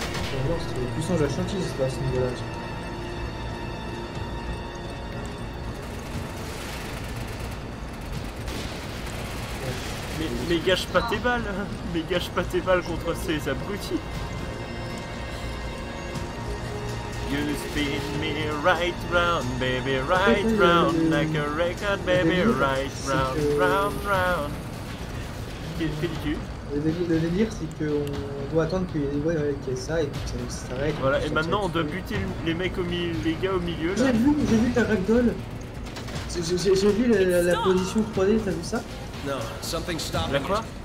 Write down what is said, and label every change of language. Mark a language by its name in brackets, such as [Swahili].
[French] C'est puissant de la chantilly, c'est pas à ce niveau-là. Mais gâche pas tes balles, mais gâche pas tes balles contre ces abrutis. [English] You spin me right round, baby, right round, like a record, baby, right round, round, round. [French] Le délire, c'est qu'on doit attendre qu'il y ait des voix avec ça et que ça s'arrête. Voilà, et maintenant on doit buter les mecs au milieu, les gars au milieu. Là. J'ai vu ta ragdoll. J'ai vu la position 3D, t'as vu ça? Non, [English] something stopped. [French] La quoi?